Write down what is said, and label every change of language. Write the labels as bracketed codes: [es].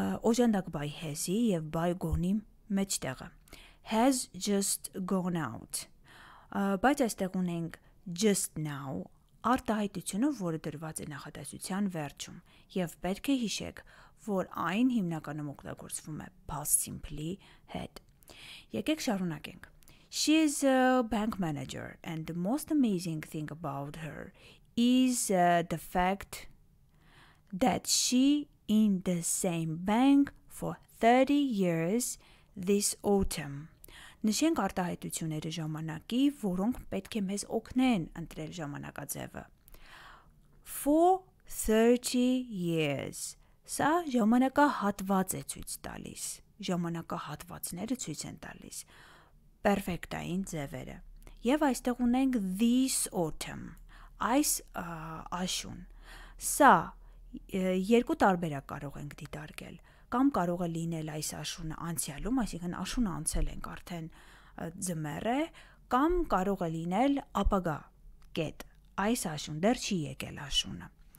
[hy] օժանդակ by has-ի և by gone-ի մեջտեղը, [en] has just gone out, [hy] բայց այստեղ ունենք [en] just now [hy] արտահայտությունը, որը դրված է նախադասության վերջում, և պետք է հիշեք, որ այն հիմնականում օգտագործվում է past simple-ի հետ։ Եկեք շարունակենք. [en] She is a bank manager and the most amazing thing about her is the fact that she in the same bank for 30 years this autumn. [hy] Նշենք արտահայտությունների ժամանակի, որոնք պետք է մեզ օգնեն ընտրել ժամանակաձևը. [en] For 30 years. [hy] Սա ժամանակահատված է ցույց տալիս, ժամանակահատվածները ցույց են տալիս պերֆեկտային ձևերը։ Եվ այստեղ ունենք [en] this autumn, [hy] այս աշուն։ Սա երկու տարբերակ կարող ենք դիտարկել, կամ կարող է լինել այս աշունը անցյալում, այսինքն աշունը անցել ենք արդեն ձմեռը, կամ կարող է լինել ապագա կետ, այս աշուն դեռ չի եկել աշունը։